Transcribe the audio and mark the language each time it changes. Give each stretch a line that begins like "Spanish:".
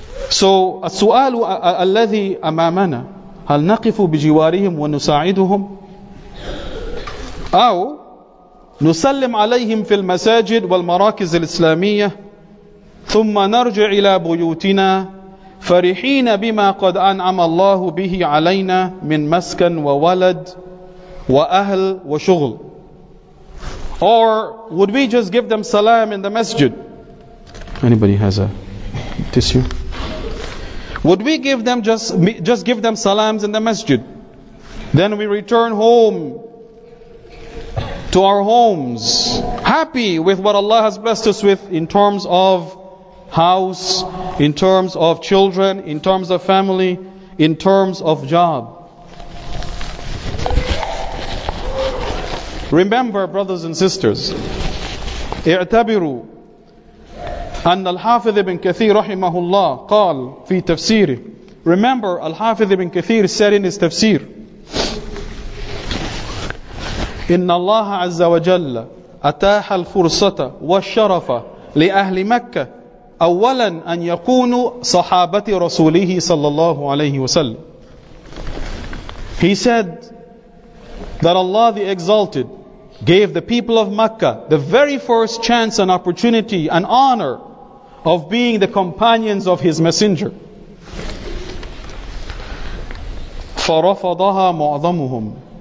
Arabic: So السؤال الذي أمامنا هل نقف بجوارهم ونساعدهم أو نسلم عليهم في المساجد والمراكز الإسلامية ثم نرجع إلى بيوتنا فرحين بما قد أنعم الله به علينا من مسكن وولد وأهل وشغل.
English: Or would we just give them salam in the masjid? Anybody has a tissue? Would we give them just give them salams in the masjid? Then we return home to our homes, happy with what Allah has blessed us with in terms of house, in terms of children, in terms of family, in terms of job. Remember, brothers and sisters,
Arabic: اعتبروا أن الحافظ بن كثير رحمه الله قال في تفسيره. Remember, الحافظ بن كثير
English: said in his tafsir,
Arabic: إن الله عز وجل أتاح الفرصة والشرف لأهل مكة أولا أن يكونوا صحابة رسوله صلى الله عليه وسلم.
English: He said that Allah the Exalted gave the people of Mecca the very first chance and opportunity and honor of being the companions of His Messenger.
Arabic: فَرَفَضَهَا مُعْظَمُهُمْ.